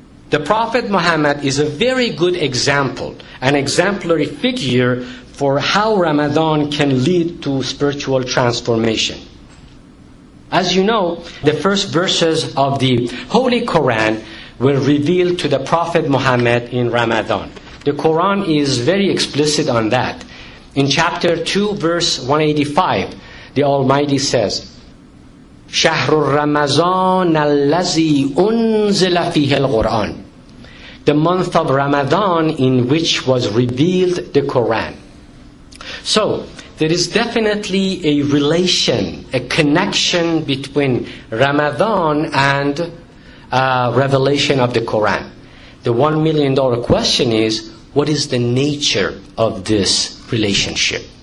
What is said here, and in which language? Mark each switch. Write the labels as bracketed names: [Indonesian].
[English] The Prophet Muhammad is a very good example, an exemplary figure for how Ramadan can lead to spiritual transformation. As you know, the first verses of the Holy Quran were revealed to the Prophet Muhammad in Ramadan. The Quran is very explicit on that. In chapter 2, verse 185, the Almighty says, [Arabic] شهر رمضان الذي أنزل فيه القرآن. [English] The month of Ramadan in which was revealed the Quran. So, there is definitely a relation, a connection between Ramadan and revelation of the Quran. The $1 million question is, what is the nature of this relationship?